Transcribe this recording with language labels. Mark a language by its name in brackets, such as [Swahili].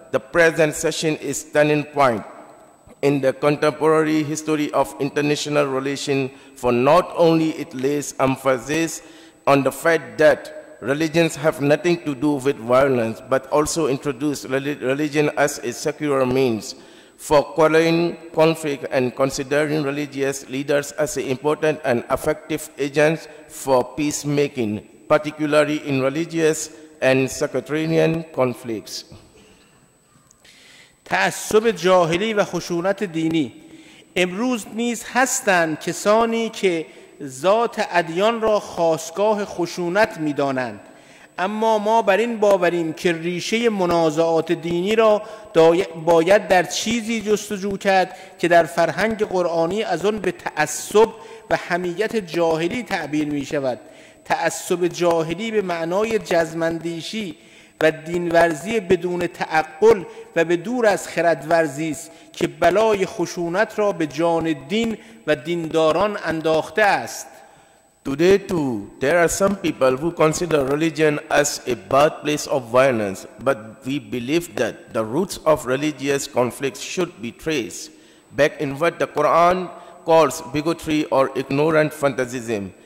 [English] The present session is a turning point in the contemporary history of international relations, for not only it lays emphasis on the fact that religions have nothing to do with violence, but also introduce religion as a secular means for quelling conflict and considering religious leaders as important and effective agents for peacemaking, particularly in religious and sectarian conflicts. [Persian] تعصب جاهلی و خشونت دینی. امروز نیز هستند کسانی که ذات ادیان را خاستگاه خشونت می دانند. اما ما بر این باوریم که ریشه منازعات دینی را باید در چیزی جستجو کرد که در فرهنگ قرآنی از آن به تعصب و حمیت جاهلی تعبیر می شود. تعصب جاهلی به معنای جزمندیشی و دین ورزی بدون تعقل و به دور از خرد ورزی است که بلای خشونت را به جان دین و دینداران انداخته است. [English] Today too, there are some people who consider religion as a bad place of violence, but we believe that the roots of religious conflicts should be traced back in what the Quran calls bigotry or ignorant fanaticism.